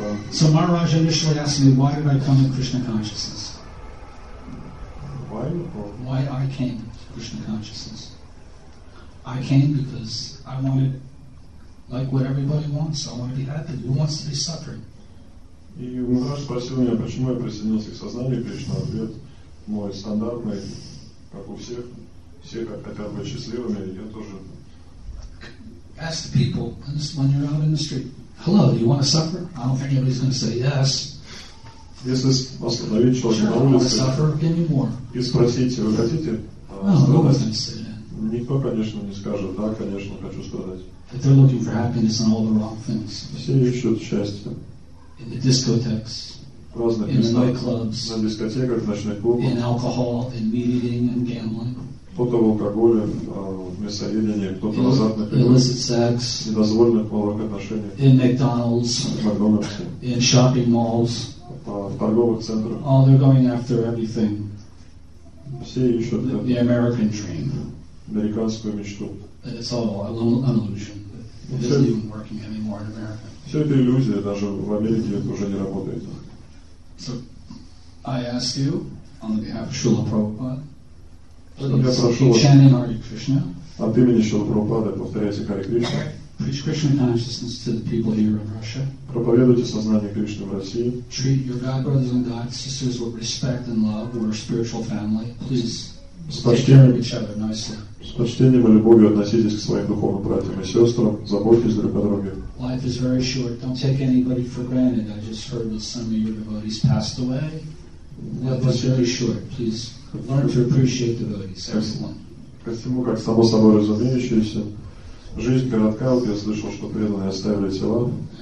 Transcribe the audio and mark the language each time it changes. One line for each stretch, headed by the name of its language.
English: So Maharaj initially asked me, why did I come to Krishna consciousness? Why I came to Krishna consciousness? I came because I wanted, like what everybody wants, I want to be happy. Who wants to be suffering?
Russian: И Махарадж спросил меня, почему я присоединился к сознанию Кришны. Ответ мой стандартный, как у всех. Все хотят быть счастливыми, я тоже.
English: Ask the people, and this is when you're out in the street, hello, do you want to suffer? I don't think anybody's going to say yes.
Russian: Если остановить человека на улице
English: suffer,
Russian: и спросить, вы хотите страдать? Никто, конечно, не скажет, да, конечно, хочу страдать.
English: But they're looking for happiness in all the wrong things.
Russian: Все ищут счастье.
English: In the discotheques,
Russian: в разных
English: in
Russian: местах,
English: nightclubs,
Russian: на дискотеках, в ночных клубах,
English: in alcohol, in meat-eating, and gambling.
Russian: Кто-то в алкоголе, в мясоедении, кто-то в азартных играх,
English: illicit sex,
Russian: недозволенных половых отношениях,
English: in McDonald's,
Russian: в Макдональдсе,
English: in shopping malls,
Russian: в торговых центрах.
English: Oh, they're going after everything.
Russian: Все ищут
English: the American dream.
Russian: Американскую мечту.
English: And it's all an illusion. It isn't even working anymore in America.
Russian: Все это иллюзия, даже в Америке это уже не работает.
English: So, I ask you, on behalf of Srila Prabhupada, please keep chanting Hare Krishna.
Russian: От имени Шрила Прабхупады повторяйте Hare Krishna.
English: Preach Krishna consciousness to the people here in Russia.
Russian: Проповедуйте сознание Кришны в России.
English: Treat your God brothers and God sisters with respect and love. We're a spiritual family. Please take care of each other nicely.
Russian: С почтением и любовью относитесь к своим духовным братьям и сестрам. Заботьтесь друг о друге.
English: Life is very short. Don't take anybody for granted. I just heard that some of your devotees passed away. Life is very short. Please learn to appreciate devotees, everyone.
Russian: Ко всему, как само собой разумеющееся. Жизнь коротка, вот я слышал, что преданные оставили тела.